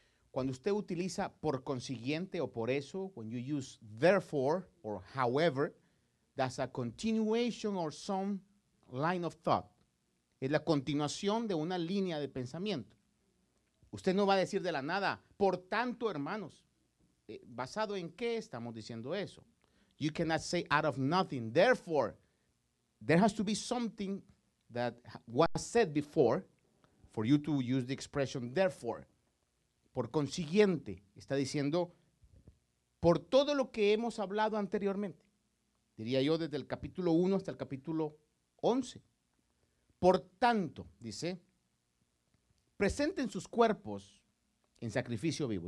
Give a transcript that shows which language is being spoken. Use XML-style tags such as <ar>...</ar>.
<es>Cuando usted utiliza "por consiguiente" o "por eso",</es> <en>when you use "therefore" or "however", that's a continuation or some line of thought.</en> <es>Es la continuación de una línea de pensamiento. Usted no va a decir de la nada, "por tanto, hermanos". ¿Basado en qué estamos diciendo eso?</es> <en>You cannot say out of nothing, "therefore". There has to be something that was said before for you to use the expression "therefore".</en> <es>Por consiguiente, está diciendo, por todo lo que hemos hablado anteriormente. Diría yo, desde el capítulo 1 hasta el capítulo 11. Por tanto, dice, presenten sus cuerpos en sacrificio vivo.</es>